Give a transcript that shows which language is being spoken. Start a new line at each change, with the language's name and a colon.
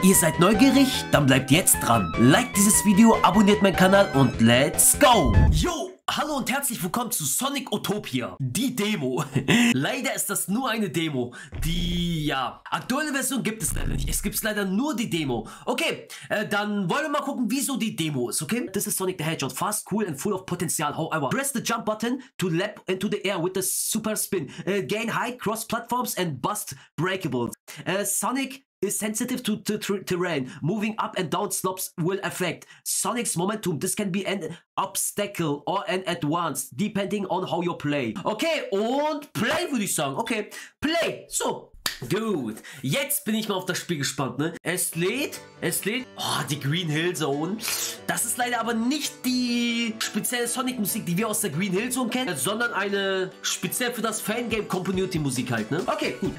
German: Ihr seid neugierig? Dann bleibt jetzt dran. Like dieses Video, abonniert meinen Kanal und
English: let's go!
German: Yo! Hallo und herzlich willkommen zu Sonic Utopia, die Demo. Leider ist das nur eine Demo, die, ja, aktuelle Version gibt es leider nicht. Es gibt leider nur die Demo. Okay, dann wollen wir mal gucken, wieso die Demo ist, okay?
English: This is Sonic the Hedgehog, fast, cool and full of potential, however. Press the jump button to leap into the air with the super spin. Gain height, cross platforms and bust breakables. Sonic is sensitive to terrain. Moving up and down slopes will affect Sonic's momentum. This can be an obstacle or an advance, depending on how you play.
German: Okay, und play, würde ich sagen. Okay, play. So, dude, jetzt bin ich mal auf das Spiel gespannt, ne? Es lädt. Oh, die Green Hill Zone. Das ist leider aber nicht die spezielle Sonic-Musik, die wir aus der Green Hill Zone kennen, sondern eine speziell für das Fangame-Community-Musik halt, ne? Okay, gut.